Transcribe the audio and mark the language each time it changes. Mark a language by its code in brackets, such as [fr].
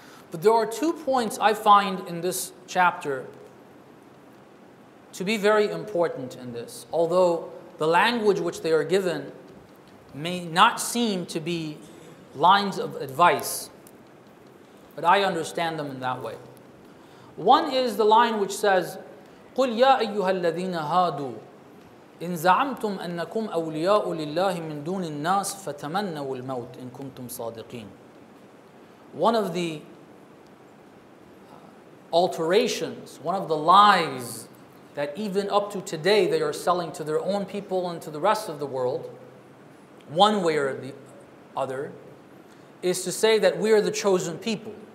[en] But there are two points I find in this chapter to be very important in this. Although the language which they are given may not seem to be lines of advice, but I understand them in that way. One is the line which says, [ar] قُلْ يَا أَيُّهَا الَّذِينَ هَادُوا إِنْ زَعَمْتُمْ أَنَّكُمْ أَوْلِيَاءُ لِلَّهِ مِنْ دُونِ النَّاسِ فَتَمَنَّوُ الْمَوْتِ إِنْ كُنْتُمْ صَادِقِينَ. [en] One of the alterations, one of the lies that even up to today they are selling to their own people and to the rest of the world, one way or the other, is to say that we are the chosen people.